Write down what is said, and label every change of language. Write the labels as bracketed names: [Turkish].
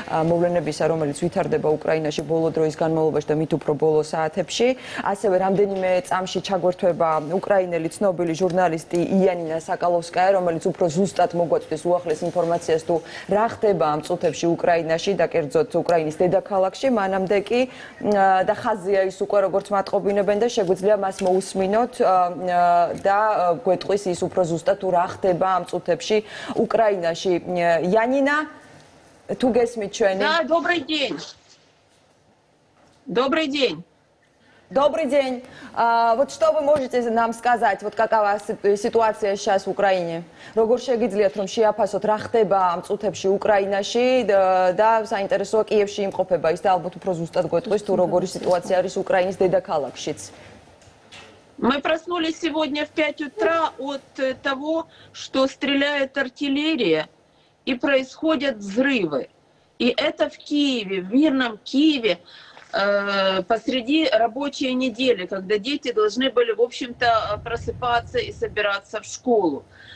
[Georgian] მოვლენებისა რომელიც ვითარდება უკრაინაში ბოლო დროის განმავლობაში და მით უფრო ბოლო საათებში ასევე რამდენიმე წამში ჩაგვერთვება უკრაინელი ცნობილი ჟურნალისტი იანინა საკალოვსკაია რომელიც უფრო ზუსტად მოგვაწვდის უახლეს ინფორმაციას თუ რა ხდება ამ წუთებში უკრაინაში და კერძოდ უკრაინის დედაქალაქში მანამდე კი და ხაზია ის უკვე როგორც მატყობინებენ და შეგვიძლია მას მოусმინოთ და გვეტყვის ის უფრო ზუსტად თუ რა ხდება ამ წუთებში უკრაინაში იანინა თუ გესმით ჩვენი [Russian] და добрый день Добрый день. Добрый день. Вот что вы можете нам сказать, вот какова ситуация сейчас в Украине? [Georgian] Როგორ შეგიძლიათ რომ შეაფასოთ რა ხდება ამ წუთებში უკრაინაში და საინტერესოა კიევში იმყოფება ის და ალბათ უფრო ზუსტად გვეტყვის თუ როგორი ситуация არის უკრაინის დედაქალაქშიც. [Russian] Мы проснулись сегодня в 5 утра от того, что стреляет артиллерия и происходят взрывы. И это в Киеве, в мирном Киеве. Посреди рабочей недели, когда дети должны были, в общем-то, просыпаться и собираться в школу.